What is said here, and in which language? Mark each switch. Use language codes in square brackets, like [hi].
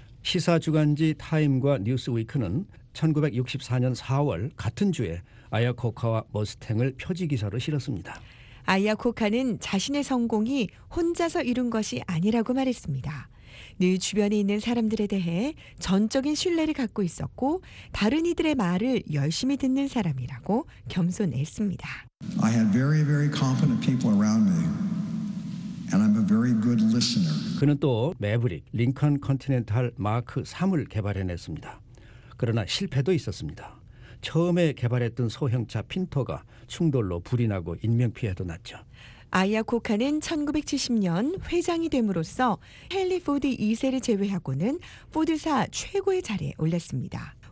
[ko] 시사 주간지 타임과 뉴스위크는 1964년 4월 같은 주에 아야코카와 머스탱을 표지 기사로 실었습니다. 아야코카는 자신의 성공이 혼자서 이룬 것이 아니라고 말했습니다. 늘 주변에 있는 사람들에 대해 전적인 신뢰를 갖고 있었고 다른 이들의 말을 열심히 듣는 사람이라고 겸손했습니다. [en] I had very, very competent people around me. And I'm a very good listener. [ko] 그는 또 매브릭 링컨 컨티넨탈 마크 3을 개발해냈습니다. 그러나 실패도 있었습니다. 처음에 개발했던 소형차 핀토가 충돌로 불이 나고 인명피해도 났죠. 아이아코카는 1970년 회장이 됨으로써 헨리 포드 2세를 제외하고는 포드사 최고의 자리에 올랐습니다.